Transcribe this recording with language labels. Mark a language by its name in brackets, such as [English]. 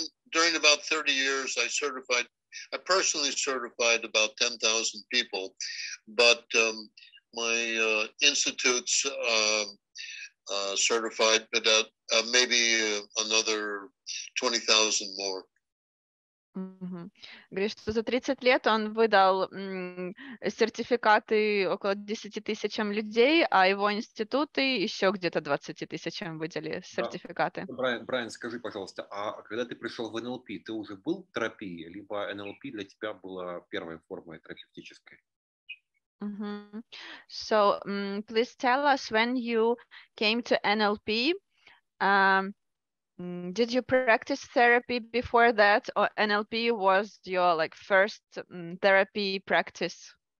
[English] During about 30 years I personally certified about 10,000 people, but my institutes certified about maybe another 20,000 more. [Russian] Говорит, что за 30 лет он выдал сертификаты около 10 тысячам людей, а его институты еще где-то 20 тысячам выдали сертификаты. Да. Брайан, скажи, пожалуйста, а когда ты пришел в NLP, ты уже был в терапии, либо NLP для тебя была первой формой терапевтической? [English] So, please tell us, when you came to NLP, did you practice therapy before that, or NLP was your like first therapy practice?